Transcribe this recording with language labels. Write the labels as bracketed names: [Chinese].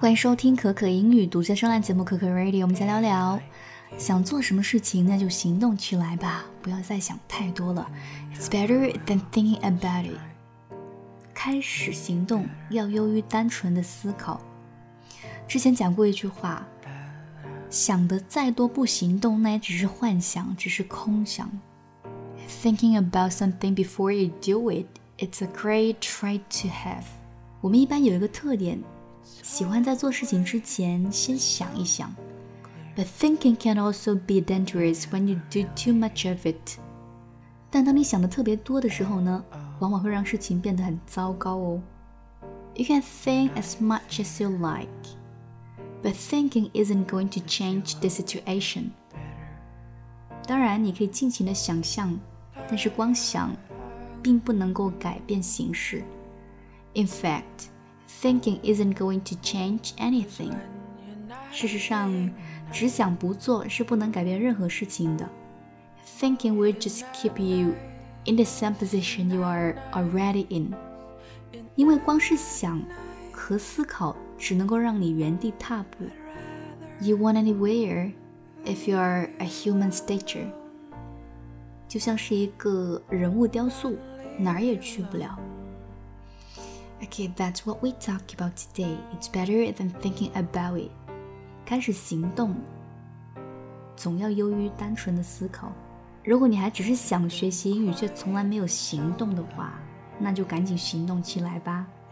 [Chinese] 欢迎收听可可英语独家专栏节目可可 Radio， 我们先聊聊想做什么事情，那就行动起来吧，不要再想太多了。 [English] It's better than thinking about it. [Chinese] 开始行动要优于单纯的思考。之前讲过一句话，想得再多不行动，那也只是幻想，只是空想。 [English] Thinking about something before you do it, it's a great trait to have. [Chinese] 我们一般有一个特点，喜欢在做事情之前先想一想。 [English] But thinking can also be dangerous when you do too much of it. [Chinese] 但当你想得特别多的时候呢，往往会让事情变得很糟糕哦。 [English] You can think as much as you like, but thinking isn't going to change the situation. [Chinese] 当然你可以尽情地想象，但是光想并不能够改变形势。 [English] In fact, thinking isn't going to change anything. [Chinese] 事实上只想不做是不能改变任何事情的。 [English] Thinking will just keep you in the same position you are already in. [Chinese] 因为光是想和思考只能够让你原地踏步。 [English] You won't anywhere if you are a human statue. [Chinese] 就像是一个人物雕塑，哪儿也去不了。 [English] Okay, that's what we talk about today. It's better than thinking about it. [Chinese] 开始行动总要优于单纯的思考。如果你还只是想学习英语却从来没有行动的话，那就赶紧行动起来吧。